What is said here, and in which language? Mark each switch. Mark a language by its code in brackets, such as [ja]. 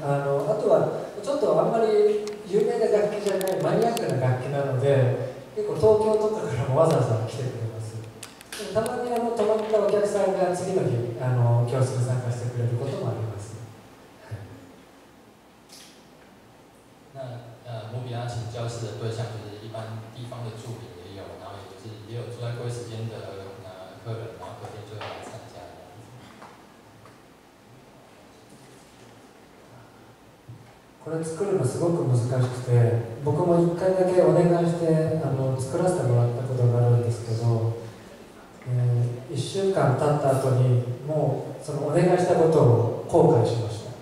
[ja] あとはちょっとあんまり有名な楽器じゃないマニアックな楽器なので、結構東京とかからもわざわざ来てくれます。たまに泊まったお客さんが次の日教室に参加してくれることもあります。 [zh] 那莫比拉琴教室的对象就是一般地方的住民也有，然后也有住在贵时间的客人，然后隔天就来参加。 [ja] これ作るのすごく難しくて、僕も1回だけお願いして作らせてもらったことがあるんですけど、1週間経った後にもうそのお願いしたことを後悔しました。